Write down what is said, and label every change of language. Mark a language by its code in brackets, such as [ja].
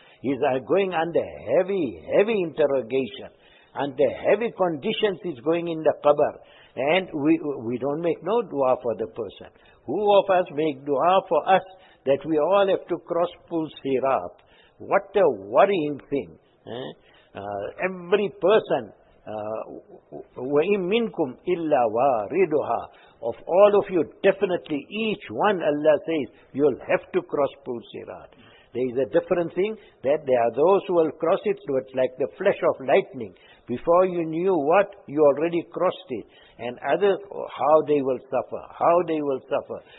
[en] He's going under heavy, heavy interrogation. Under heavy conditions he's going in the qabr. And we don't make no dua for the person. Who of us make dua for us that we all have to cross pull sirat? What a worrying thing. Every person, [ar] وَإِمْ مِنْكُمْ إِلَّا وَارِدُهَا. [en] Of all of you, definitely each one, Allah says, you'll have to cross pool sirat. There is a different thing, that there are those who will cross it, so it's like the flash of lightning. Before you knew what, you already crossed it. And others, how they will suffer, how they will suffer.